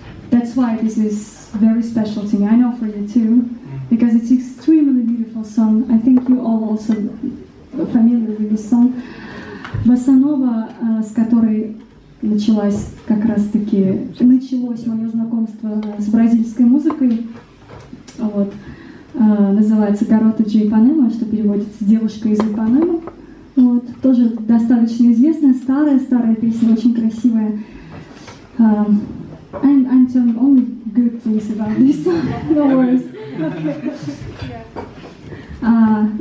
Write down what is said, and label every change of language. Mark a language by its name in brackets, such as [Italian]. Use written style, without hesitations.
[English] That's why this is very special to me. I know for you too, because it's extremely beautiful song. I think you all also familiar with this song. [Russian] Bossa nova, с которой началась как раз таки началось мое знакомство с бразильской музыкой. Вот. Называется «Garota de Ipanema», что переводится «Девушка из Ипанемы». Вот. Тоже достаточно известная, старая-старая песня, очень красивая. [English] And I'm telling only good things about this song, no worries.